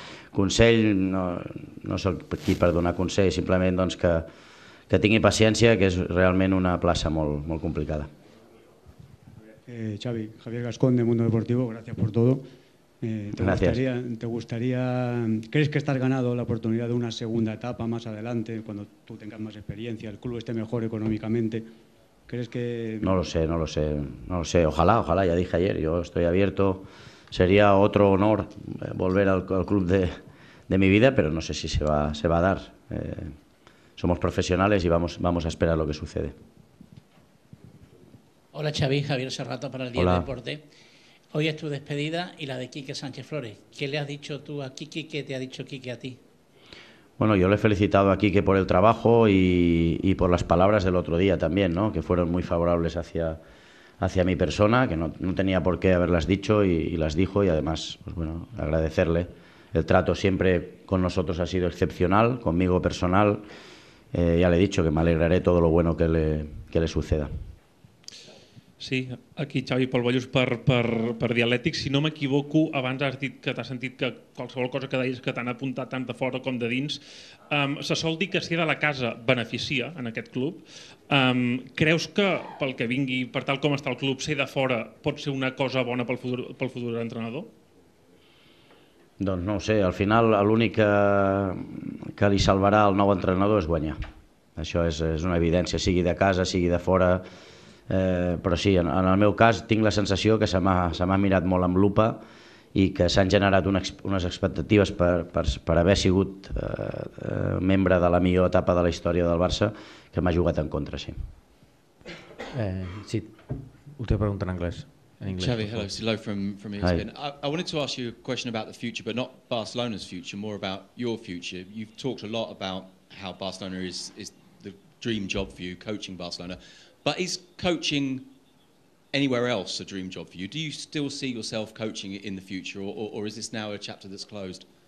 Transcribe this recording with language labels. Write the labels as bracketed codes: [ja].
[ca] Consell, no sóc aquí per donar consell, simplement doncs que tingui paciència, que és realment una plaça molt, molt complicada. [es] Xavi, Javier Gascón, de Mundo Deportivo, gracias por todo. ¿Te gustaría, crees que estás ganado la oportunidad de una segunda etapa más adelante, cuando tú tengas más experiencia, el club esté mejor económicamente? ¿Crees que...? No lo sé. Ojalá, ya dije ayer, yo estoy abierto. Sería otro honor volver al club de mi vida, pero no sé si se va a dar. Somos profesionales y vamos a esperar lo que sucede. Hola, Xavi. Javier Serrato para el Día del Deporte. Hoy es tu despedida y la de Quique Sánchez Flores. ¿Qué le has dicho tú a Quique? ¿Qué te ha dicho Quique a ti? Bueno, yo le he felicitado a Quique por el trabajo y por las palabras del otro día también, ¿no? Que fueron muy favorables hacia mi persona, que no tenía por qué haberlas dicho y las dijo, y además, pues bueno, agradecerle. El trato siempre con nosotros ha sido excepcional, conmigo personal. Ya le he dicho que me alegraré todo lo bueno que le suceda. [ca] Sí, aquí Xavi Polvallús per Dialètic. Si no m'equivoco, abans has dit que t'has sentit que qualsevol cosa que deies que t'han apuntat tant de fora com de dins. Se sol dir que ser de la casa beneficia en aquest club. Creus que pel que vingui, per tal com està el club, ser de fora pot ser una cosa bona pel futur entrenador? Doncs no ho sé, al final l'únic que li salvarà el nou entrenador és guanyar. Això és una evidència, sigui de casa, sigui de fora. Però sí, en el meu cas tinc la sensació que se m'ha mirat molt amb lupa i que s'han generat unes expectatives per haver sigut membre de la millor etapa de la història del Barça que m'ha jugat en contra, sí. Sí, ho té preguntat en anglès. [en] Xavi, hello, it's Lo from ESPN. I wanted to ask you a question about the future, but not Barcelona's future, more about your future. You've talked a lot about how Barcelona is the dream job for you, coaching Barcelona. But is coaching anywhere else a dream job for you? Do you still see yourself coaching in the future, or is this now a chapter that's closed?